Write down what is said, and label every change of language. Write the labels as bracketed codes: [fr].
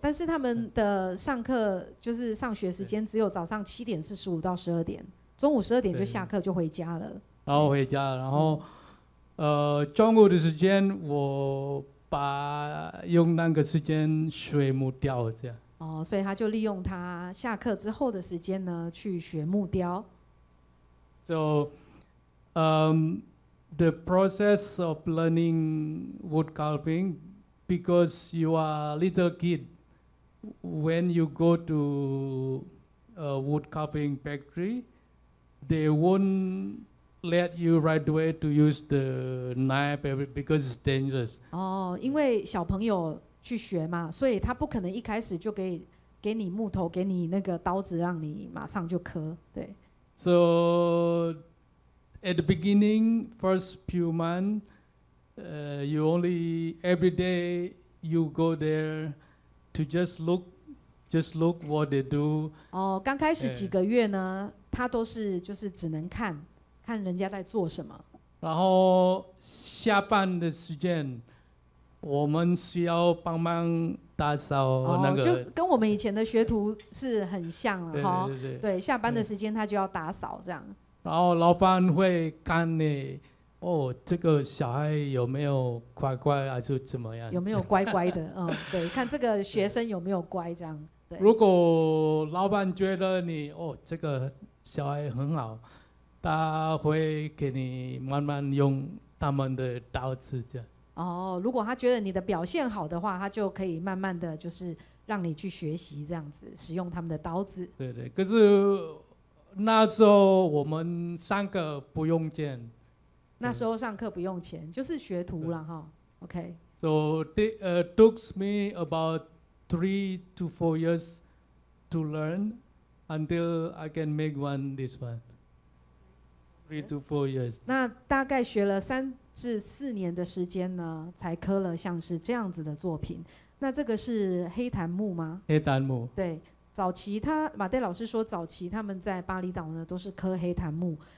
[zh] 但是他们的上课就是上学时间只有早上7:45 to 12:00，中午十二点就下课就回家了。然后回家，然后中午的时间我把用那个时间学木雕这样。哦，所以他就利用他下课之后的时间呢去学木雕。 [en] So, the process of learning wood carving, because you are a little kid, when you go to a wood carving factory, they won't let you right away to use the knife because it's dangerous. [zh] 哦，因为小朋友去学嘛，所以他不可能一开始就给你木头，给你那个刀子，让你马上就刻，对。 [en] So, at the beginning, first few months, you only every day you go there to just look what they do. [zh] 哦，刚开始几个月呢，他都是就是只能看看人家在做什么。然后下班的时间，我们需要帮忙打扫那个，就跟我们以前的学徒是很像了哈。对，下班的时间他就要打扫这样。然后老板会看你，哦，这个小孩有没有乖乖还是怎么样？有没有乖乖的？对，看这个学生有没有乖这样。对，如果老板觉得你哦这个小孩很好，他会给你慢慢用他们的刀子这样。哦，如果他觉得你的表现好的话，他就可以慢慢的就是让你去学习这样子，使用他们的刀子。对对，可是那时候我们三个不用钱。那时候上课不用钱，就是学徒了哈。 OK。 [en] So it took me about 3 to 4 years to learn until I can make one this one. 3 to 4 years. [zh] 那大概学了3至4年的时间呢，才刻了像是这样子的作品。那这个是黑檀木吗？黑檀木。对，早期他马代老师说，早期他们在巴厘岛呢都是刻黑檀木。